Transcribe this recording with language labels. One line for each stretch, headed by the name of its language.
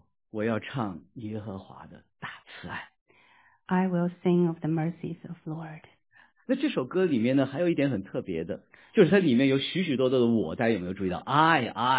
Chinese: 我要唱耶和华的大慈爱。
English: I will sing of the mercies of Lord.
Chinese: 那这首歌里面呢，还有一点很特别的，就是它里面有许许多多的我，大家有没有注意到 ？I.